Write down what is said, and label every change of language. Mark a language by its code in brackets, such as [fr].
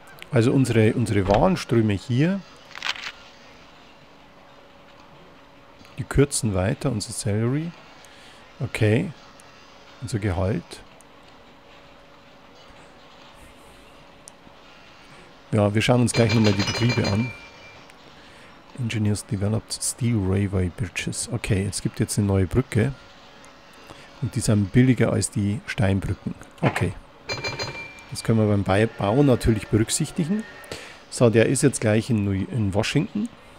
[de] Also unsere Warenströme hier, die kürzen weiter, unser Salary, okay, unser Gehalt. Ja, wir schauen uns gleich nochmal die Betriebe an. [en] Engineers developed steel railway bridges. [de] Okay, es gibt jetzt eine neue Brücke und die sind billiger als die Steinbrücken. Okay. Das können wir beim Bau natürlich berücksichtigen. So, der ist jetzt gleich in Washington.